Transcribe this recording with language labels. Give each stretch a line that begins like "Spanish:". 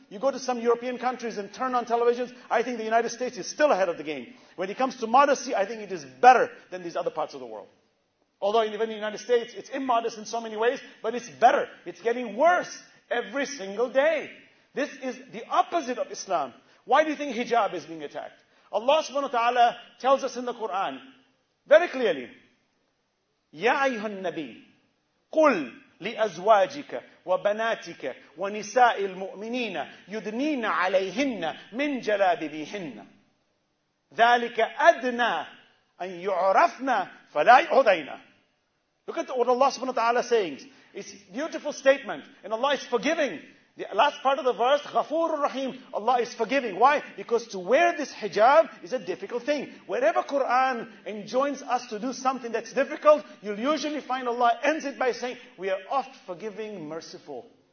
English: You go to some European countries and turn on televisions. I think the United States is still ahead of the game. When it comes to modesty, I think it is better than these other parts of the world. Although even in the United States, it's immodest in so many ways, but it's better. It's getting worse every single day. This is the opposite of Islam. Why do you think hijab is being attacked? Allah subhanahu wa ta'ala tells us in the Quran, very clearly,
Arabic: Ya ayyuha nabi, قُلْ لِأَزْوَاجِكَ وَبَنَاتِكَ وَنِسَاءِ الْمُؤْمِنِينَ يُدْنِينَ عَلَيْهِنَّ مِنْ جَلَابِبِهِنَّ ذَلِكَ أَدْنَى أَنْ يُعْرَفْنَا فَلَا يُعْضَيْنَا.
English: Look at what Allah subhanahu wa ta'ala is saying. It's a beautiful statement. And Allah is forgiving. The last part of the verse,
Arabic: غَفُورُ الرَّحِيمُ,
English: Allah is forgiving. Why? Because to wear this hijab is a difficult thing. Wherever Quran enjoins us to do something that's difficult, you'll usually find Allah ends it by saying, we are oft forgiving, merciful.